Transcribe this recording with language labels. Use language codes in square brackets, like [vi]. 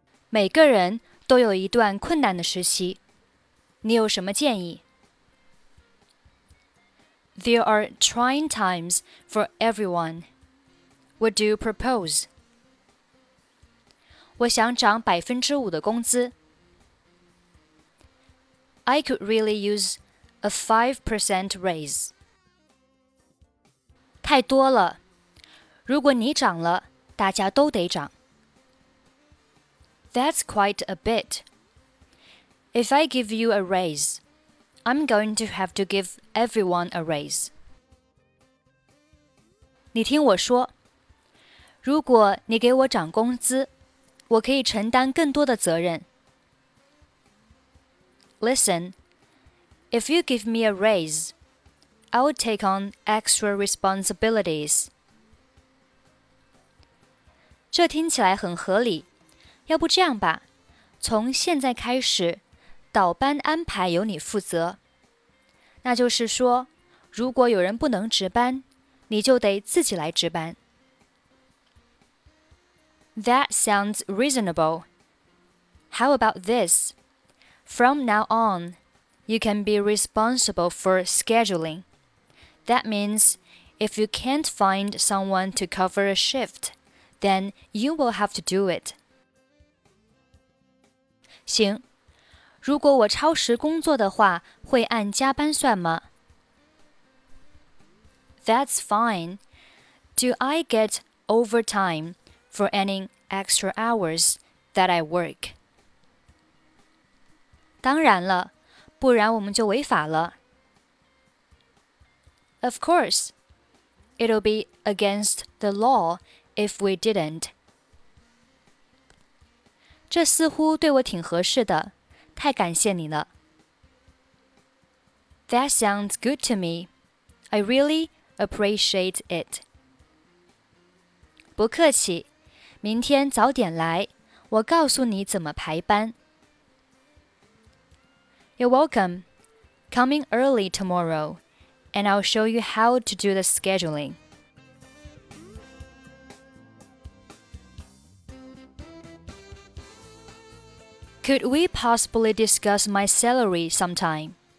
[zh] 每个人都有一段困难的时期。你有什么建议? [en] There are trying times for everyone. What do you propose? [zh] 我想涨5%的工资。 [en] I could really use a 5% raise. [zh] 太多了。如果你涨了,大家都得涨。 [en] That's quite a bit. If I give you a raise, I'm going to have to give everyone a raise. [zh] 你听我说，如果你给我涨工资，我可以承担更多的责任。 [en] Listen, if you give me a raise, I'll take on extra responsibilities. [zh] 这听起来很合理，要不这样吧，从现在开始倒班安排由你负责。那就是说，如果有人不能值班，你就得自己来值班。 [en] That sounds reasonable. How about this? From now on, you can be responsible for scheduling. That means, if you can't find someone to cover a shift, then you will have to do it. [zh] 行。如果我超时工作的话，会按加班算吗? [en] That's fine. Do I get overtime for any extra hours that I work? [zh] 当然了，不然我们就违法了。 [en] Of course, it'll be against the law if we didn't. [zh] 这似乎对我挺合适的，太感谢你了。 [en] That sounds good to me. I really appreciate it. [zh] 不客气，明天早点来，我告诉你怎么排班。 [en] You're welcome. Come in early tomorrow, and I'll show you how to do the scheduling. Could we possibly discuss my salary sometime?